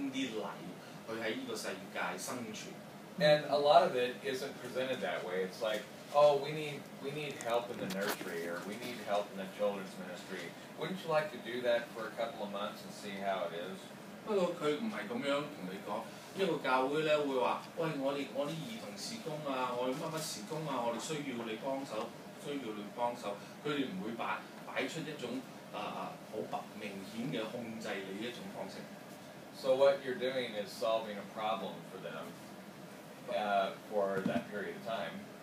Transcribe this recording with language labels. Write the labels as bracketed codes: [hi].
[zh] 我们在这个世界,我们实要交了很多单,我们实要做成某一样东西,某一样东西,所以我们实要更厉害,去在这个世界生存. [en] And a lot of it isn't presented that way. It's like, oh, we need help in the nursery, or we need help in the children's ministry. Wouldn't you like to do that for a couple of months and see how it is? [zh] 不过他不是这样跟你说,这个教会会说,我们儿童事工,我们什么事工,我们需要你帮忙,需要你帮忙,他们不会摆出一种很明显的控制你的一种方式. [en] So what you're doing is solving a problem for them for that period of time.